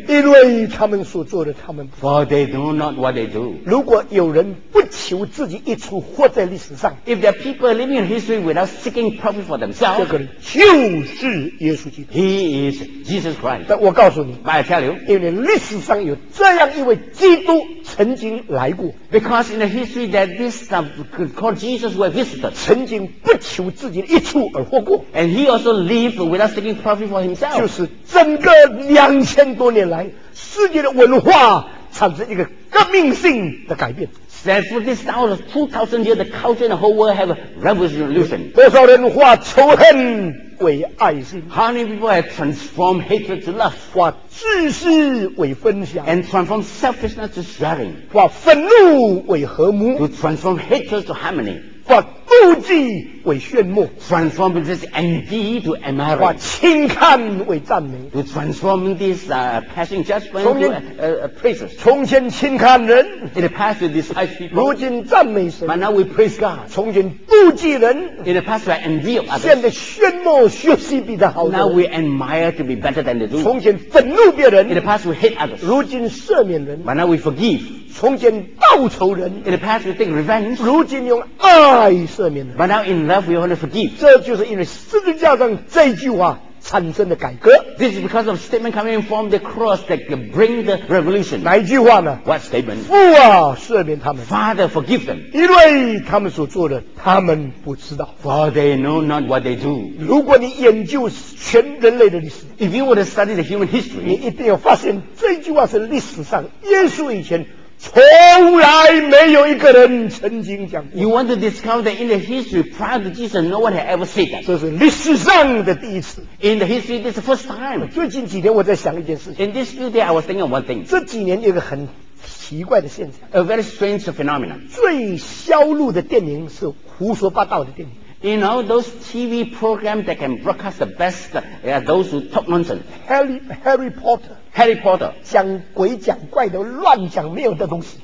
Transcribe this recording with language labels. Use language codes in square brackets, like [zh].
[zh] 因为他们所做的，他们不。 [en] For they know not what they do. [zh] 如果有人不求自己益处，活在历史上。 [en] If there are people living in history without seeking profit for themselves, [zh] 这个人就是耶稣基督。 [en] He is Jesus Christ. [zh] 但我告诉你 [en] ，But I tell you, [zh] 因为历史上有这样一位基督。曾经来过 [en] ，because in the history that this called Jesus were visited， [zh] 曾经不求自己的益处而活过 [en] ，and he also lived without seeking profit for himself， [zh] 就是整个两千多年来世界的文化产生一个革命性的改变。 [en] That for this now 2,000 years, the culture in the whole world have a revolution. [zh] 多少人化仇恨为爱心 [en] ？How many people have transformed hatred to love? [zh] 化自私为分享 [en] ，and transform selfishness to sharing. [zh] 化愤怒为和睦 [en] ，to transform hatred to harmony. [zh] 化妒忌为炫目 [en] ，transform this envy to admiring. [zh] 化轻看为赞美 [en] ，to transform this passion judgment to praises. [zh] 从前轻看人 [en] ，in the past we despise people. [zh] 如今赞美神 [en] ，but now we praise God. [zh] 从前妒忌人 [en] ，in the past we envy others. [zh] 现在炫目学习比他好。 [en] Now we admire to be better than the do. [zh] 从前愤怒别人 [en] ，in the past we hate others. [zh] 如今赦免人 [en] ，but now we forgive. [zh] 从前报仇人 [en] ，in the past we take revenge. [zh] 如今用爱。 [en] But now in love, we want to forgive. [zh] 这就是因为十字架上这句话产生的改革。 [en] This is because of statement coming from the cross that bring the revolution. [zh] 哪一句话呢 [en] ？What statement? [zh] 父啊，赦免他们。 [en] Father, forgive them. [zh] 因为他们所做的，他们不知道。 [en] For they know not what they do. [zh] 如果你研究全人类的历史 [en] ，If you were to study the human history, [zh] 你一定要发现这句话是历史上耶稣以前。从来没有一个人曾经讲过。 [en] You want to discover that in the history prior to Jesus, no one had ever said that. [zh] 这是历史上的第一次。 [en] In the history, this is the first time. [zh] 最近几年我在想一件事情。 [en] In this few days, I was thinking of one thing. [zh] 这几年有一个很奇怪的现象。 [en] A very strange phenomenon. [zh] 最销路的电影是胡说八道的电影。 [en] You know those TV programs that can broadcast the best are those who talk nonsense. Harry Potter. [zh] 讲鬼讲怪的乱讲没有的东西。